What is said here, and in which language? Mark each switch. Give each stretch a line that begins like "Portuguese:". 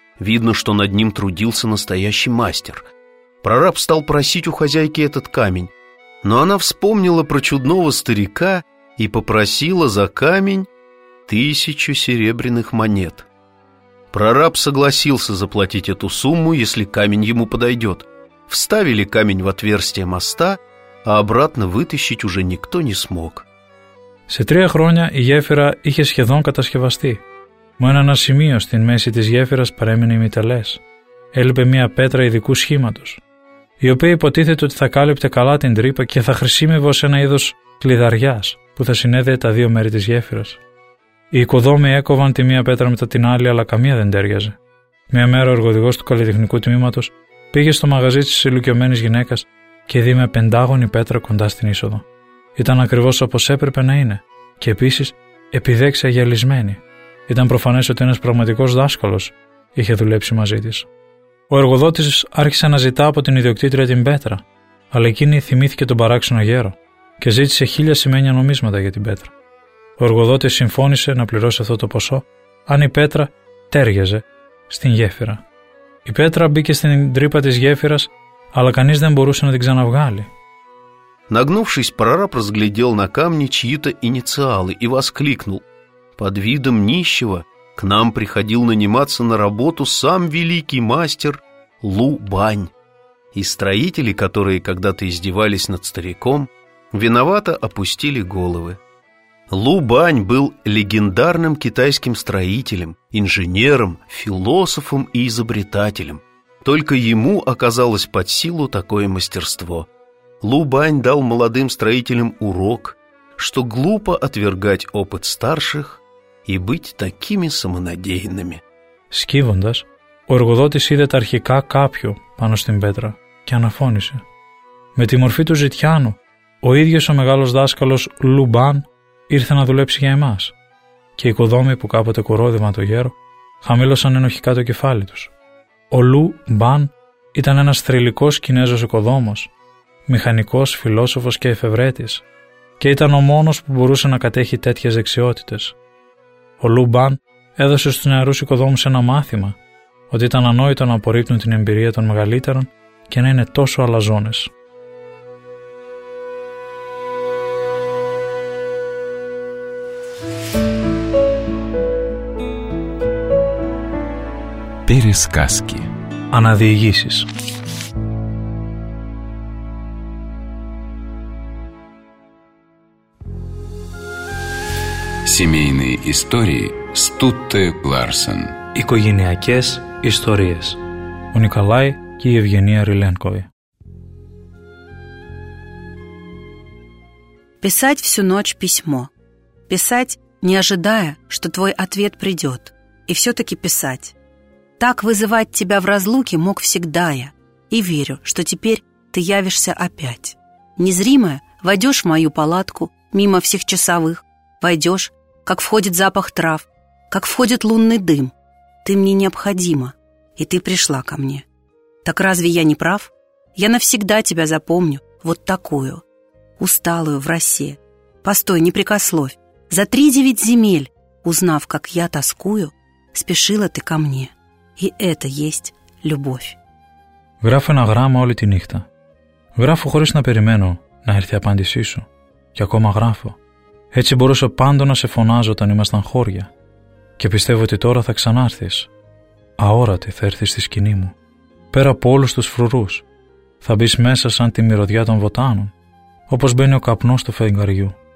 Russian: Видно, что над ним трудился настоящий мастер. Прораб стал просить у хозяйки этот камень, но она вспомнила про чудного старика и попросила за камень 1000 серебряных монет. Прораб согласился заплатить эту сумму, если камень ему подойдет. Вставили камень в отверстие моста, а обратно вытащить уже никто не смог.
Greek: Σε 3 χρόνια η γέφυρα είχε σχεδόν κατασκευαστεί. Μόνο ένα σημείο στην μέση της γέφυρας παρέμεινε ημιτελές. Έλειπε μια πέτρα ειδικού σχήματος, η οποία υποτίθεται ότι θα κάλυπτε καλά την τρύπα και θα χρησιμεύει ως ένα είδος κλειδαριάς που θα συνέδεε τα 2 μέρη της γέφυρας. Οι οικοδόμοι έκοβαν τη μία πέτρα μετά την άλλη, αλλά καμία δεν τέριαζε. Μία μέρα ο εργοδηγός του καλλιτεχνικού τμήματος πήγε στο μαγαζί της ηλικιωμένης γυναίκας και είδε μια 5-άγωνη πέτρα κοντά στην είσοδο. Ήταν ακριβώς όπως έπρεπε να είναι, και επίσης επιδέξει αγελισμένη. Ήταν προφανές ότι ένας πραγματικός δάσκαλος είχε δουλέψει μαζί της. Ο εργοδότης άρχισε να ζητά από την ιδιοκτήτρια την Πέτρα, αλλά εκείνη θυμήθηκε τον παράξενο γέρο και ζήτησε 1000 σημαίνια νομίσματα για την Πέτρα. Ο εργοδότης συμφώνησε να πληρώσει αυτό το ποσό, αν η Πέτρα τέριαζε στην γέφυρα. Η Πέτρα μπήκε στην τρύπα της γέφυρας, αλλά κανείς δεν μπορούσε να την ξαναβγάλει.
Russian: Нагнувшись, прораб разглядел на камне чьи-то инициалы и воскликнул: «Под видом нищего к нам приходил наниматься на работу сам великий мастер Лу Бань. И строители, которые когда-то издевались над стариком, виновато опустили головы. Лу Бань был легендарным китайским строителем, инженером, философом и изобретателем. Только ему оказалось под силу такое мастерство». Лу Бань дал молодым строителям урок, что глупо отвергать опыт старших и быть такими самонадеянными.
Greek: Σκύβοντας, ο εργοδότης είδε τα αρχικά κάποιου πάνω στην πέτρα και αναφώνησε. Με τη μορφή του ζητιάνου, ο ίδιος ο μεγάλος δάσκαλος Λου Μπάν ήρθε να δουλέψει για εμάς και οι οικοδόμοι που κάποτε κορόδευαν το γέρο χαμήλωσαν ενοχικά το κεφάλι τους. Ο Λου Μπάν ήταν ένας θρυλικός Κινέζος οικοδόμος, μηχανικός, φιλόσοφος και εφευρέτης και ήταν ο μόνος που μπορούσε να κατέχει τέτοιες δεξιότητες. Ο Λου Μπάν έδωσε στους νεαρούς οικοδόμους ένα μάθημα ότι ήταν ανόητο να απορρίπτουν την εμπειρία των μεγαλύτερων και να είναι τόσο αλαζόνες. Περισκάσκι. Αναδιηγήσεις.
Russian: Семейные истории Стутте Ларсен.
Greek: Οικογενειακές ιστορίες. Ο Νικολάη και η Ευγενία Ριλένκοβη.
Russian: Писать всю ночь письмо. Писать, не ожидая, что твой ответ придет. И все-таки писать. Так вызывать тебя в разлуке мог всегда я. И верю, что теперь ты явишься опять. Незримая, войдешь в мою палатку, мимо всех часовых, войдешь, как входит запах трав, как входит лунный дым. Ты мне необходима, и ты пришла ко мне. Так разве я не прав? Я навсегда тебя запомню, вот такую, усталую в росе. Постой, не прикословь, за 39 земель, узнав, как я тоскую, спешила ты ко мне, и это есть любовь.
Greek: Γράφω ένα γράμμα όλη τη νύχτα. Γράφω χωρίς να περιμένω να έρθει η απάντησή σου. Και ακόμα γράφω. Έτσι μπορούσα πάντοτε να σε φωνάζω όταν ήμασταν χώρια και πιστεύω ότι τώρα θα ξανάρθεις. Αόρατη θα έρθεις στη σκηνή μου. Πέρα από όλους τους φρουρούς θα μπεις μέσα σαν τη μυρωδιά των βοτάνων, όπως μπαίνει ο καπνός του φεγγαριού.